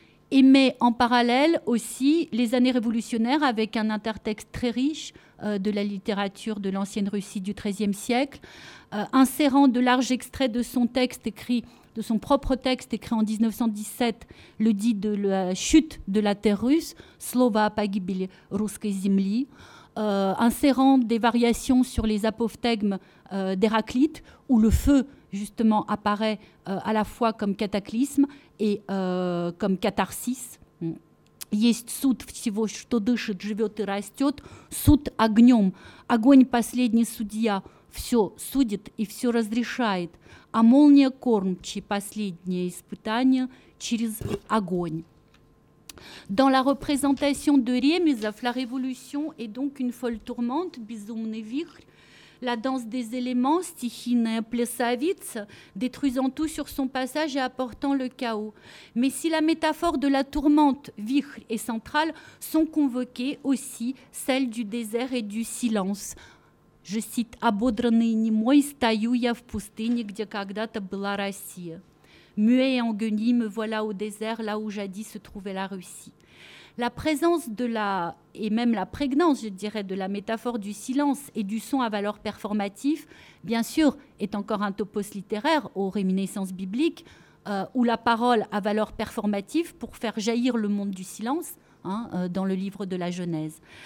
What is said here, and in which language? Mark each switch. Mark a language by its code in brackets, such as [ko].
[fr] Et met en parallèle aussi les années révolutionnaires avec un intertexte très riche de la littérature de l'ancienne Russie du XIIIe siècle, insérant de larges extraits de son texte écrit, de son propre texte écrit en 1917, le dit de la chute de la terre russe, [ru] «Слово о погибели русской земли», [fr] insérant des variations sur les apophthegmes d'Héraclite, où le feu, justement, apparaît à la fois comme cataclysme et comme catharsis. [ru] Есть суд всего, что дышит, живет и растет. Суд огнем. Огонь последний судья. Все судит и все разрешает. А молния кормчий, последнее испытание через огонь. [fr] Dans la représentation de Remusov, la révolution est donc une folle tourmente, [ru] безумный вихрь, [fr] la danse des éléments, [ru] стихийная плясовица, [fr] détruisant tout sur son passage et apportant le chaos. Mais si la métaphore de la tourmente, вихрь, est centrale, sont convoquées aussi celles du désert et du silence. Je cite [ru] « Ободранный немой, стою я в пустыне, где когда-то была Россия ». [fr] Muet et engueuli, me voilà au désert, là où jadis se trouvait la Russie. La présence de la, et même la prégnance, je dirais, de la métaphore du silence et du son à valeur performative, bien sûr, est encore un topos littéraire aux réminiscences bibliques, où la parole a valeur performative pour faire jaillir le monde du silence, hein, dans le livre de la Genèse.